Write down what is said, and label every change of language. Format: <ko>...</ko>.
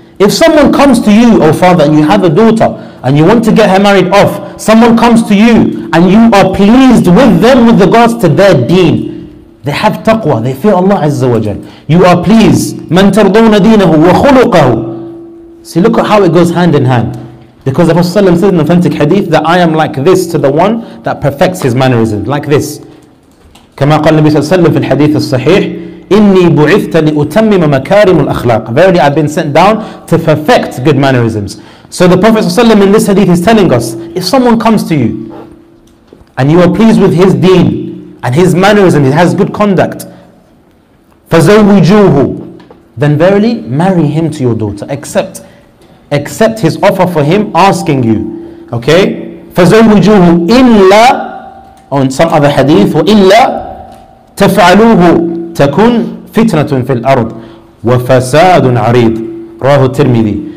<en>If someone comes to you, O father, and you have a daughter and you want to get her married off, someone comes to you and you are pleased with them with regards to their deen, they have taqwa, they fear Allah Azza wa Jal, you are pleased,</en> <ar>مَنْ تَرْضَوْنَ دِينَهُ وَخُلُقَهُ.</ar> <en>See, look at how it goes hand in hand. Because the Prophet ﷺ said in authentic hadith that I am like this to the one that perfects his mannerism, like this.</en> <ar>كما قال النبي صلى الله عليه وسلم في الحديث الصحيح, إني بعثت لأتمم مكارم الأخلاق,</ar> <en>verily I've been sent down to perfect good mannerisms. So the Prophet صلى الله عليه وسلم in this hadith is telling us, if someone comes to you and you are pleased with his deen and his mannerism, he has good conduct, فزوجوه, then verily marry him to your daughter, accept his offer for him asking you, okay,</en> <ar>فزوجوه إلا,</ar> <en>on some other hadith,</en> <ar>وإلا تفعلوه تكون فتنة في الأرض وفساد عريض, رواه الترمذي.</ar>